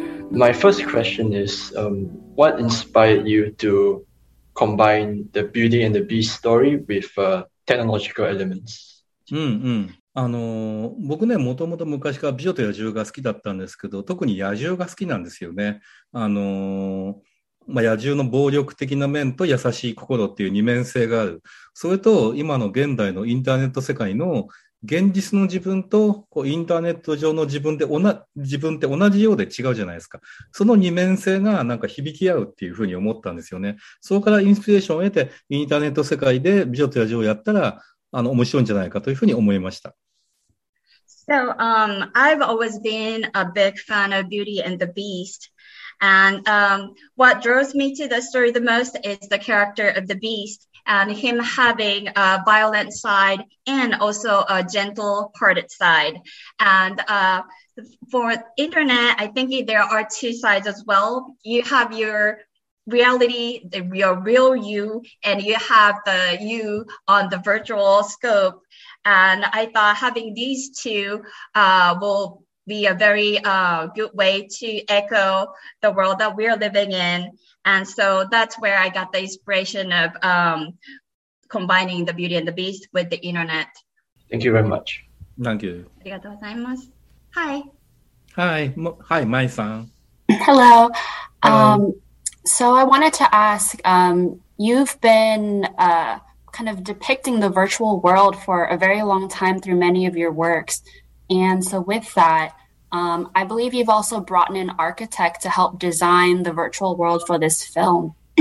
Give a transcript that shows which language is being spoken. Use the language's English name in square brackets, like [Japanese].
[English] My first question is, what inspired you to combine the Beauty and the Beast story with technological elements? [Japanese] あの、僕ね、もともと昔から美女と野獣が好きだったんですけど、特に野獣が好きなんですよね。あの、まあ、野獣の暴力的な面と優しい心っていう二面性がある。それと今の現代のインターネット世界の 現実の自分と、こう、インターネット上の自分で、自分って同じようで違うじゃないですか。その二面性がなんか響き合うっていうふうに思ったんですよね。そこからインスピレーションを得て、インターネット世界で美女と野獣をやったら、面白いんじゃないかというふうに思いました。 [English] So, I've always been a big fan of Beauty and the Beast. And what draws me to the story the most is the character of the Beast and him having a violent side and also a gentle-hearted side. And for internet, I think there are two sides as well. You have your reality, the real you, and you have the you on the virtual scope. And I thought having these two will be a very good way to echo the world that we're living in. And so that's where I got the inspiration of combining the Beauty and the Beast with the internet. Thank you very much. Thank you. [Japanese] ありがとうございます。Hi. [English] Hi, Mai-san. Hello. So I wanted to ask, you've been kind of depicting the virtual world for a very long time through many of your works. And so with that, I believe you've also brought in an architect to help design the virtual world for this film.